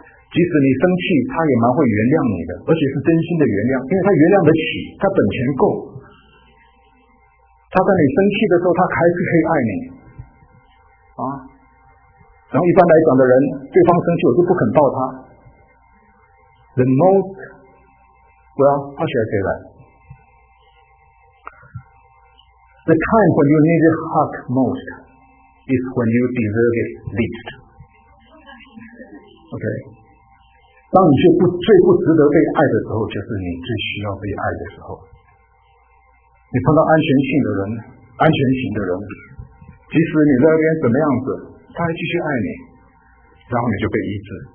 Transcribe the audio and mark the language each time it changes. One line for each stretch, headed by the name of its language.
Chinese: 即使你生气，他也蛮会原谅你的，而且是真心的原谅，因为他原谅得起，他本钱够。他在你生气的时候，他还是可以爱你，啊。然后一般来讲的人，对方生气我就不肯抱他。
English: The most, well, how should I say that? The time when you need a hug most is when you deserve it least. Okay.
Chinese: 当你最不值得被爱的时候，就是你最需要被爱的时候。你碰到安全型的人，即使你在那边怎么样子，他还继续爱你，然后你就被医治。